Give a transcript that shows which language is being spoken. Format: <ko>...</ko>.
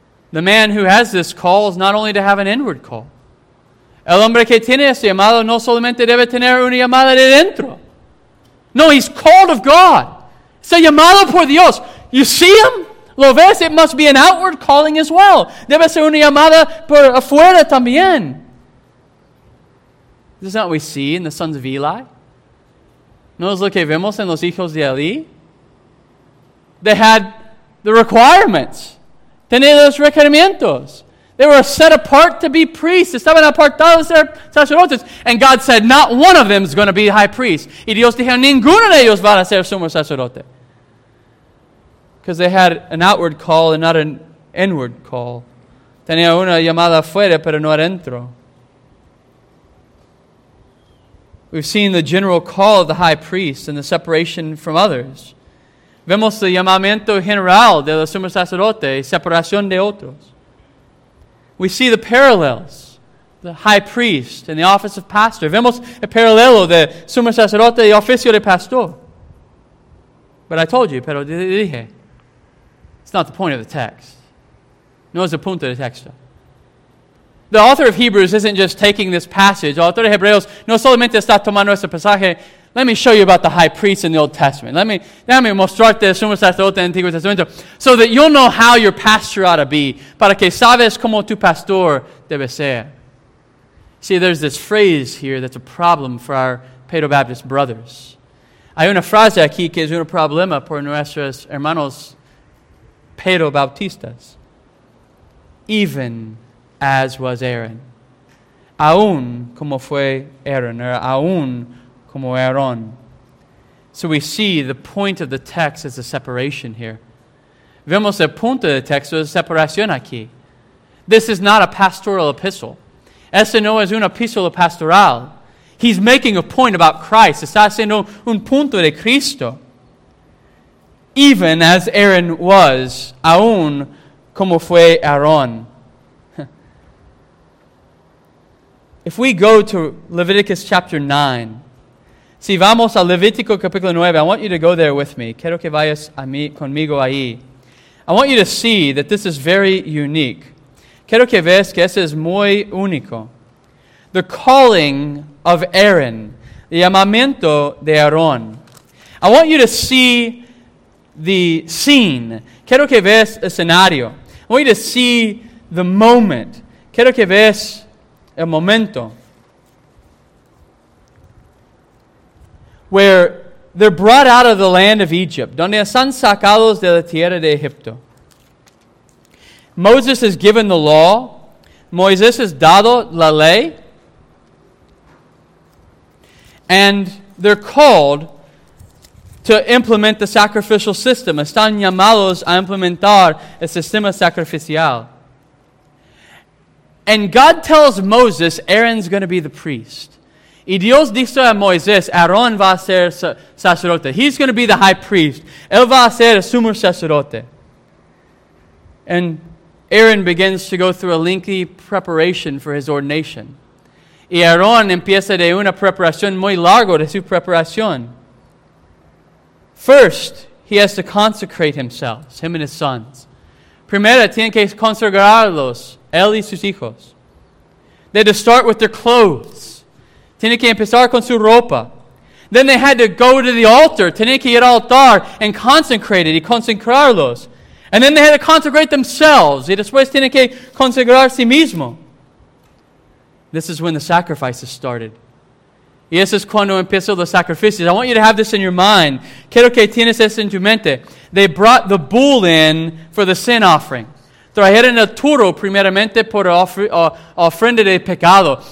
<en>The man who has this call is not only to have an inward call.</en> <es>El hombre que tiene ese llamado no solamente debe tener una llamada de dentro.</es> <en>No, he's called of God.</en> <es>Es llamado por Dios.</es> <en>You see him?</en> <es>Lo ves?</es> <en>It must be an outward calling as well.</en> <es>Debe ser una llamada por afuera también.</es> <en>This is not what we see in the sons of Eli.</en> <es>No es lo que vemos en los hijos de Eli.</es> <en>They had the requirements.</en> <es>Tenían los requerimientos.</es> <en>They were set apart to be priests.</en> <es>Estaban apartados de sacerdotes.</es> <en>And God said, not one of them is going to be high priest.</en> <es>Y Dios dijo, ninguno de ellos va a ser sumo sacerdote.</es> <en>Because they had an outward call and not an inward call.</en> <es>Tenía una llamada afuera, pero no adentro.</es> <en>We've seen the general call of the high priest and the separation from others.</en> <es>Vemos el llamamiento general de los sumos sacerdotes, separación de otros.</es> <en>We see the parallels, the high priest and the office of pastor.</en> <es>Vemos el paralelo de sumo sacerdote y oficio de pastor.</es> <en>But I told you,</en> <es>pero dije,</es> <en>it's not the point of the text.</en> <es>No es el punto del texto.</es> <en>The author of Hebrews isn't just taking this passage.</en> <es>El autor de Hebreos no solamente está tomando este pasaje.</es> <en>Let me show you about the high priest in the Old Testament. Let me</en> <es>mostrarte el sumo sacerdote en el Antiguo Testamento</es> <en>so that you'll know how your pastor ought to be,</en> <es>para que sabes cómo tu pastor debe ser.</es> <en>See, there's this phrase here that's a problem for our Pedro-Baptist brothers.</en> <es>Hay una frase aquí que es un problema por nuestros hermanos Pedro-Bautistas.</es> <en>Even as was Aaron.</en> <es>Aún como fue Aaron, or aún como Aaron.</es> <en>So we see the point of the text is a separation here.</en> <es>Vemos el punto del texto es separación aquí.</es> <en>This is not a pastoral epistle.</en> <es>Este no es una epístola pastoral.</es> <en>He's making a point about Christ.</en> <es>Está haciendo un punto de Cristo.</es> <en>Even as Aaron was,</en> <es>aún como fue Aaron.</es> <en>If we go to Leviticus chapter 9,</en> <es>si vamos a Levítico capítulo 9,</es> <en>I want you to go there with me.</en> <es>Quiero que vayas conmigo ahí.</es> <en>I want you to see that this is very unique.</en> <es>Quiero que veas que este es muy único.</es> <en>The calling of Aaron.</en> <es>El llamamiento de Aarón.</es> <en>I want you to see the scene.</en> <es>Quiero que veas el escenario.</es> <en>I want you to see the moment.</en> <es>Quiero que veas el momento.</es> <en>Where they're brought out of the land of Egypt.</en> <es>Donde están sacados de la tierra de Egipto.</es> <en>Moses is given the law.</en> <es>Moisés es dado la ley.</es> <en>And they're called to implement the sacrificial system.</en> <es>Están llamados a implementar el sistema sacrificial.</es> <en>And God tells Moses, Aaron's going to be the priest.</en> <es>Y Dios dice a Moisés, Aarón va a ser sacerdote.</es> <en>He's going to be the high priest.</en> <es>Él va a ser el sumo sacerdote.</es> <en>And Aaron begins to go through a lengthy preparation for his ordination.</en> <es>Y Aarón empieza de una preparación muy largo de su preparación.</es> <en>First, he has to consecrate himself, him and his sons.</en> <es>Primero, tiene que consagrarlos, él y sus hijos.</es> <en>They had to start with their clothes.</en> <es>Tiene que empezar con su ropa.</es> <en>Then they had to go to the altar.</en> <es>Tiene que ir al altar</es> <en>and consecrate it,</en> <es>y consagrarlos.</es> <en>And then they had to consecrate themselves.</en> <es>Y después tienen que consagrar sí mismo.</es> <en>This is when the sacrifices started.</en> <es>Y eso es cuando empezó los sacrificios.</es> <en>I want you to have this in your mind.</en> <es>Quiero que tienes eso en tu mente.</es> <en>They brought the bull in for the sin offering.</en> <es>Trajeron el toro primeramente por ofrenda de pecado.</es>